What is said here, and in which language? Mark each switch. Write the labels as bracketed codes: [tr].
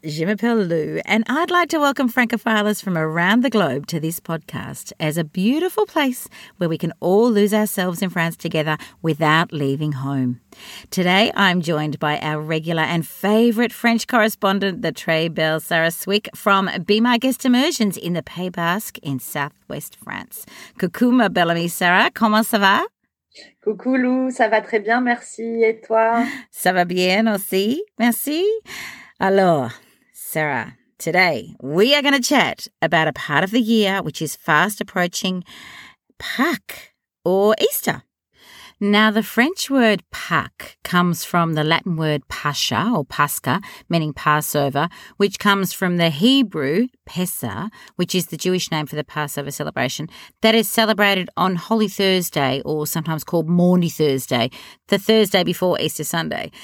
[fr] Je m'appelle Lou, [en] and I'd like to welcome Francophiles from around the globe to this podcast as a beautiful place where we can all lose ourselves in France together without leaving home. Today, I'm joined by our regular and favourite French correspondent, the [fr] Très Belle [en] Sarah Swick from Be My Guest Immersions in the Pays Basque in southwest France. [fr] Coucou, ma belle amie Sarah, comment ça va? Coucou Lou, ça va très bien, merci. Et toi? Ça va bien aussi, merci. [en] Alors, Sarah, today we are going to chat about a part of the year which is fast approaching Pâques or Easter. Now, the French word Pâques comes from the Latin word Pascha or Pascha, meaning Passover, which comes from the Hebrew Pesach, which is the Jewish name for the Passover celebration, that is celebrated on Holy Thursday or sometimes called Maundy Thursday, the Thursday before Easter Sunday.